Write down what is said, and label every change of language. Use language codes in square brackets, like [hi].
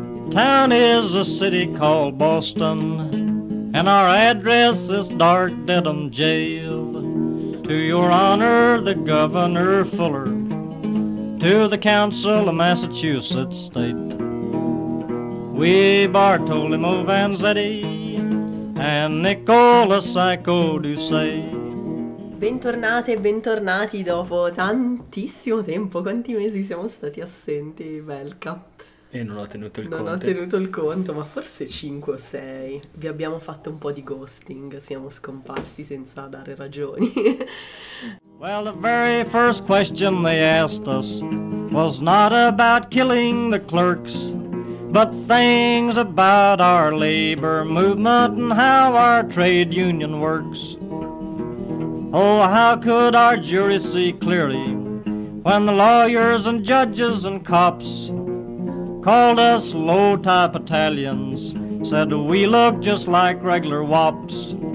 [en] Town is a city called Boston, and our address is Dark Dedham Jail. To your honor, the Governor Fuller, to the Council of Massachusetts State, we Bartolomeo Vanzetti and Nicola Sacco Ducey. [it] Bentornate e bentornati dopo tantissimo tempo. Quanti mesi siamo stati assenti, Belka? E non ho tenuto il conto. Non ho tenuto il conto, ma forse 5 o 6. Vi abbiamo fatto un po' di ghosting, siamo scomparsi senza dare ragioni. [en] Well, the very first question they asked us was not about killing the clerks, but things about our labor movement and how our trade union works. Oh, how could our jury see clearly when the lawyers and judges and cops called us low-type Italians, said we look just like regular wops.